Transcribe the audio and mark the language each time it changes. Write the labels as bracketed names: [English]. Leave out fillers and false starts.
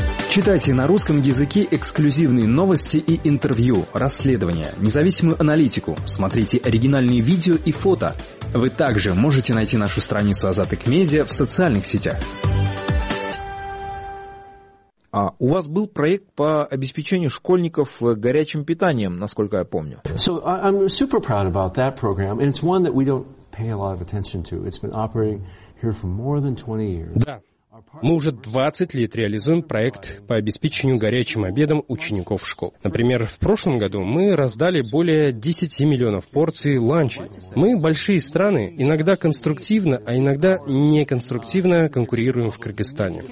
[Russian] Читайте на русском языке эксклюзивные новости и интервью, расследования, независимую аналитику, смотрите оригинальные видео и фото. Вы также можете найти нашу страницу Азатык Медиа в социальных сетях. А у вас был проект по обеспечению школьников горячим питанием, насколько я помню. [English] So I'm super proud about that program, and it's one that we don't pay a lot of attention to. It's been operating here for more than 20 years. [Russian] Да. Мы уже 20 лет реализуем проект по обеспечению горячим обедом учеников школ. Например, в прошлом году мы раздали более 10 миллионов порций ланчей. Мы большие страны, иногда конструктивно, а иногда неконструктивно конкурируем в Кыргызстане.